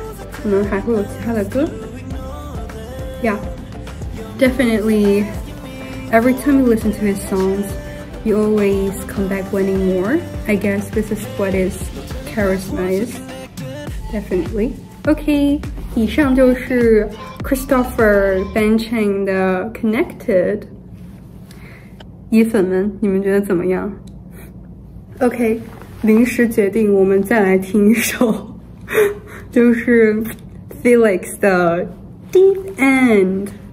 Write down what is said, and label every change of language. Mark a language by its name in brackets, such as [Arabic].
[Chinese] 可能还会有其他的歌 ， [English] Yeah， definitely. Every time you listen to his songs, you always come back wanting more. I guess this is what is charisma is. Definitely. [Chinese] Okay， 以上就是 Christopher Ben Chang 的 Connected。一粉们，你们觉得怎么样？ OK， 临时决定，我们再来听一首，就是 Felix 的 Deep End。